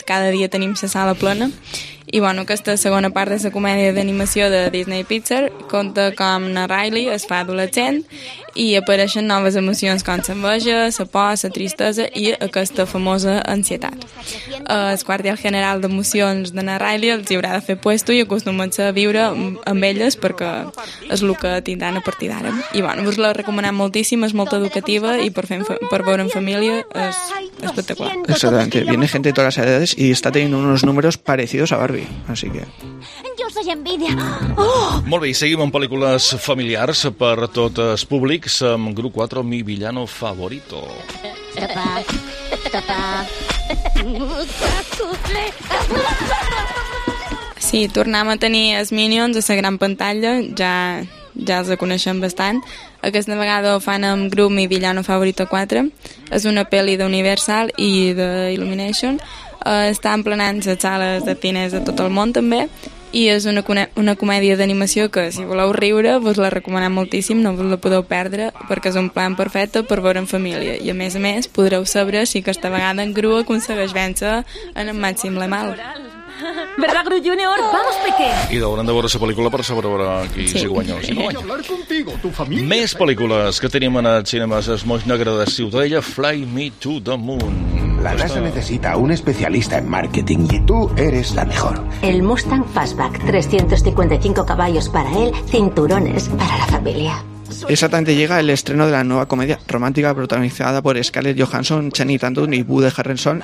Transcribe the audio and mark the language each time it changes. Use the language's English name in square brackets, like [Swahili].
[Catalan] Cada dia tenim la sala plena. I bueno, aquesta segona part de la comèdia d'animació de Disney Pixar compta com na Riley es fa adolescent i apareixen noves emocions com l'enveja, la por, la tristesa i aquesta famosa ansietat. El quartel general d'emocions de na Riley els haurà de fer puesto i acostumen-se a viure amb elles perquè és el que tindran a partir d'ara. I bueno, us la recomanem moltíssim, és molt educativa i per veure en família és espectacular. [Spanish] Exactamente, viene gente de todas las edades y está teniendo unos números parecidos a así que... Jo soy envidia. [Catalan] Molt bé, i seguim amb pel·lícules familiars per tot el públic amb Gru 4, mi villano favorito. Sí, tornem a tenir els Minions a la gran pantalla, ja els coneixem bastant. Aquesta vegada ho fan amb Gru, mi villano favorito 4. És una pel·li d'Universal i d'Illumination. Està emplenant les sales de cines de tot el món també i és una comèdia d'animació que, si voleu riure, vos la recomanem moltíssim, no vos la podeu perdre perquè és un plan perfecte per veure en família i a més podreu saber si aquesta vegada en Gru aconsegueix vèncer en el màxim le mal. [Spanish] ¿Verdad, Gru Junior? ¡Vamos, pequeño! [Catalan] I d'haurem de veure la pel·lícula per saber veure qui sí. Si guanya o si no guanya. Més pel·lícules que tenim en el cinema El Moix Negre de Ciutadella, Fly Me to the Moon. [Spanish] La NASA necesita un especialista en marketing y tú eres la mejor. El Mustang Fastback, 355 caballos para él, cinturones para la familia. Exactamente, llega el estreno de la nueva comedia romántica protagonizada por Scarlett Johansson, Channing Tatum y Woody Harrelson.